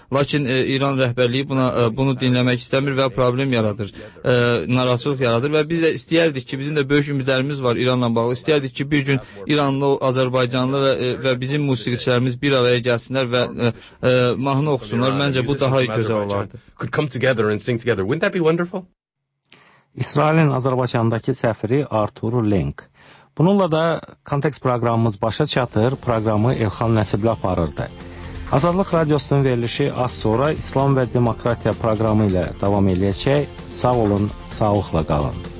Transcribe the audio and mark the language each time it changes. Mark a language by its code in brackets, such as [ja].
[az] Lakin İran rəhbərliyi bunu dinləmək istəmir və problem yaradır, narazılıq yaradır və biz də istəyərdik ki, bizim də böyük ümidlərimiz var İranla bağlı. İstəyərdik ki, bir gün İranlı, Azərbaycanlı və bizim musiqiçilərimiz bir araya gəlsinlər və mahnı oxusunlar. Məncə bu daha gözəl olardı. [en] Could come together and sing together. Wouldn't that be wonderful? [az] İsrailin Azərbaycandakı səfiri Artur Link. Bununla da kontekst proqramımız başa çatır. Proqramı Elxan Nəsiblə aparırdı. Azadlıq Radiosunun verilişi az sonra İslam və Demokratiya proqramı ilə davam edəcək. Sağ olun, sağlıqla qalın.